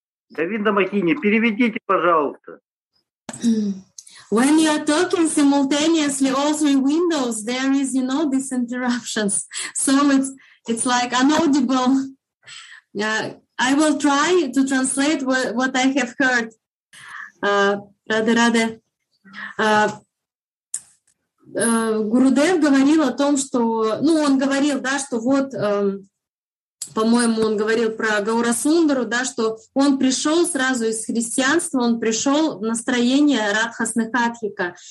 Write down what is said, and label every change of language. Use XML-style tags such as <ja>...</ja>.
<ru>Давида Махини, переведите, пожалуйста.</ru> <en>When you are talking simultaneously all three windows, there is, you know, these interruptions. So it's like unaudible. I will try to translate what I have heard.</en> <ru>Гурудев говорил о том, что, ну, он говорил, да, что вот, по-моему, он говорил про Гаурасундару, да, что он пришел сразу из христианства, он пришел в настроение Радха Снехатхика.</ru>